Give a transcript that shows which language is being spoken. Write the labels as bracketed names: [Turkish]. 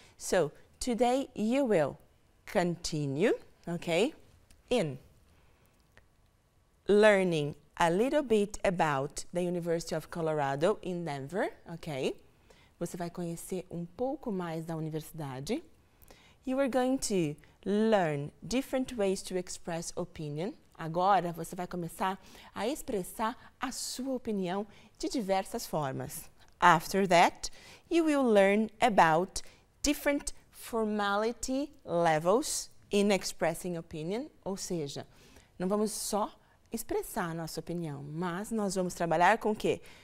[English] So, today you will continue, okay, in learning a little bit about the University of Colorado in Denver, ok? [Portuguese] Você vai conhecer pouco mais da universidade. [English] You are going to learn different ways to express opinion. [Portuguese] Agora você vai começar a expressar a sua opinião de diversas formas. [English] After that, you will learn about different formality levels in expressing opinion. [Portuguese] Ou seja, não vamos só expressar a nossa opinião, mas nós vamos trabalhar com o quê?